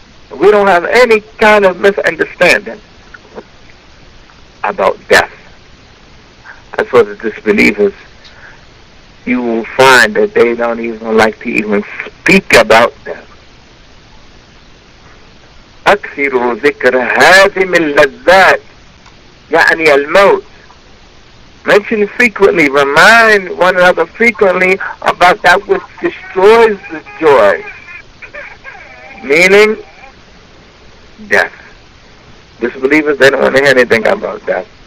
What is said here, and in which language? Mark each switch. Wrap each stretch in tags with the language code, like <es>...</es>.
<en>We don't have any kind of misunderstanding about death. As for the disbelievers, you will find that they don't even like to even speak about death.</en> <ar>أكثروا ذكر هازم اللذات يعني الموت.</ar> <en>Mention frequently, remind one another frequently about that which destroys the joy, meaning death. Disbelievers, they don't want to hear anything about death.</en>